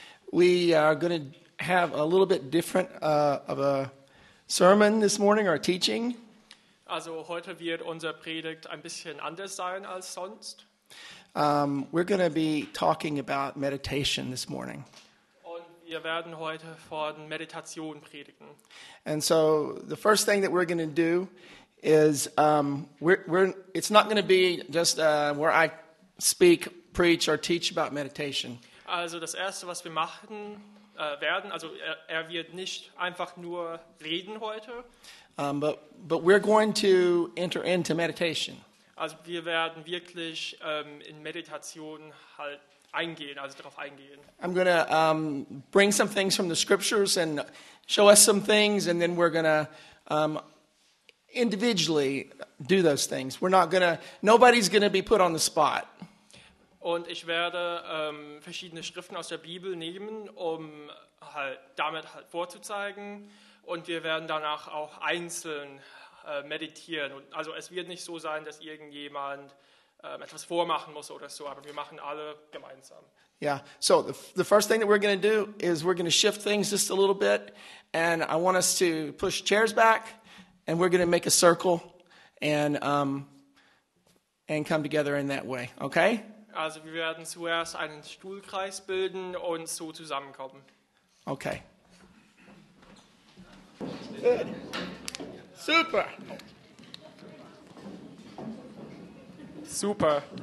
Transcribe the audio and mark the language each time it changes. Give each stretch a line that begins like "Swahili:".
English: We are going to have a little bit different of a sermon this morning, our teaching.
German: Also heute wird unser Predigt ein bisschen anders sein als sonst.
English: We're going to be talking about meditation this morning.
German: Und wir werden heute von Meditation predigen.
English: And so the first thing that we're going to do is it's not going to be just where I speak, preach or teach about meditation.
German: Also das erste, was wir machen werden, also er wird nicht einfach nur reden heute.
English: But we're going to enter into meditation.
German: Also wir werden wirklich in Meditation halt eingehen, also darauf eingehen.
English: I'm going to bring some things from the scriptures and show us some things, and then we're going to individually do those things. Nobody's going to be put on the spot.
German: Und ich werde verschiedene Schriften aus der Bibel nehmen, um halt damit halt vorzuzeigen. Und wir werden danach auch einzeln meditieren. Und also es wird nicht so sein, dass irgendjemand etwas vormachen muss oder so, aber wir machen alle gemeinsam.
English: Yeah, so the first thing that we're going to do is we're going to shift things just a little bit. And I want us to push chairs back and we're going to make a circle and come together in that way, okay?
German: Also wir werden zuerst einen Stuhlkreis bilden und so zusammenkommen. Okay.
English: Good. Super.
German: Super.